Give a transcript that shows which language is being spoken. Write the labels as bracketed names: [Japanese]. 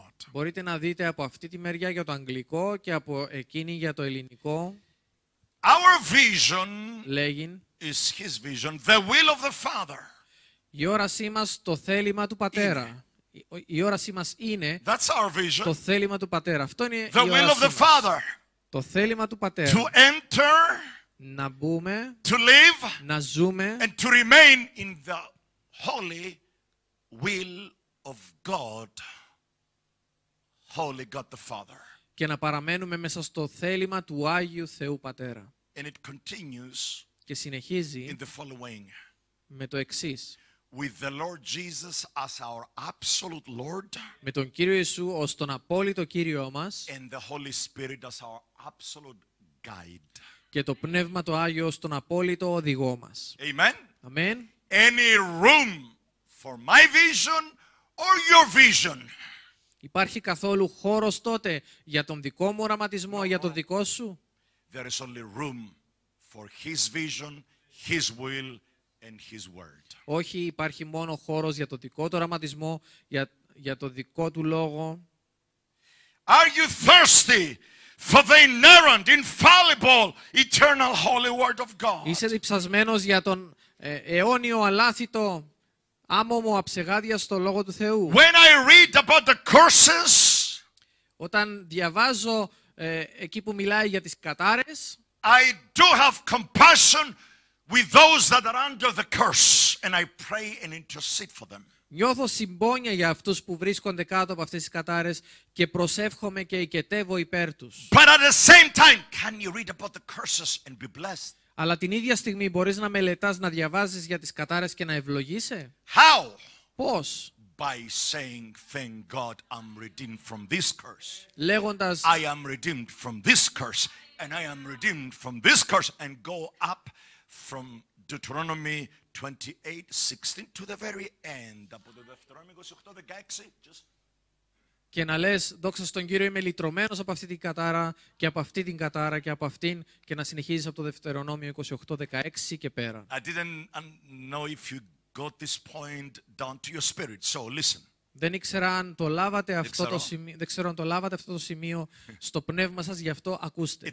[Greek] Μπορείτε να δείτε από αυτή τη μεριά για το αγγλικό και από εκείνη για το ελληνικό. [English] Our vision [Greek] λέγειν, [English] is His vision, the will of the Father. [Greek] Η όρασή μας, το θέλημα του Πατέρα. Η όρασή μας είναι το θέλημα του Πατέρα. Αυτό είναι [English] the [Greek] η όρασή μας. Το θέλημα του Πατέρα. [English] To enter, [Greek] να μπούμε, [English] to live, [Greek] να ζούμε [English] and to remain in the holy will of God. Holy God the Father. [Greek] Και να παραμένουμε μέσα στο θέλημα του Άγιου Θεού Πατέρα. [English] And it continues [Greek] και συνεχίζει [English] in the following. [Greek] Με το εξής. [English] With the Lord Jesus as our absolute Lord, [Greek] με τον Κύριο Ιησού ως τον απόλυτο Κύριό μας, [English] and the Holy Spirit as our absolute guide, [Greek] και το Πνεύμα το Άγιο ως τον απόλυτο οδηγό μας. [English] Amen. Amen. Any room for my vision or your vision? [Greek] Υπάρχει καθόλου χώρος τότε για τον δικό μου οραματισμό, για το δικό σου? [English] There is only room for His vision, His will. And his word. [Greek] Όχι, υπάρχει μόνο χώρος για το δικό του οραματισμό, για το δικό του λόγο. [English] Are you thirsty for the inerrant, infallible, eternal, holy word of God? [Greek] Είσαι διψασμένος για τον αιώνιο, αλάθητο, άμωμο, αψεγάδιαστο λόγο του Θεού? [English] When I read about the curses, [Greek] όταν διαβάζω εκεί που μιλάει για τις κατάρες, [English] I do have compassion with those that are under the curse, and I pray and intercede for them. [Greek] Νιώθω συμπόνια για αυτούς που βρίσκονται κάτω από αυτές τις κατάρες και προσεύχομαι και ηκετεύω υπέρ τους. [English] But at the same time, can you read about the curses and be blessed? [Greek] Αλλά την ίδια στιγμή μπορείς να μελετάς, να διαβάζεις για τις κατάρες και να ευλογείσαι. [English] How? [Greek] Πώς? [English] By saying, thank God, I'm redeemed from this curse. [Greek] Λέγοντας, [English] I am redeemed from this curse, and I am redeemed from this curse, and go up. From Deuteronomy 28:16 to the very end. [Greek] Από το Δευτερόμικος 8:16. Και να λες, δόξα στον Κύριο, είμαι λυτρωμένος από αυτή την κατάρα και από αυτή την κατάρα και από αυτήν, και να συνεχίζεις από το Δευτερονόμιο 28:16 και πέρα. [English] I didn't know if you got this point down to your spirit, so listen. [Greek] Δεν ήξερα αν το λάβατε αυτό το σημείο, δεν ξέρω αν το λάβατε αυτό το σημείο στο πνεύμα σας, γι' αυτό ακούστε.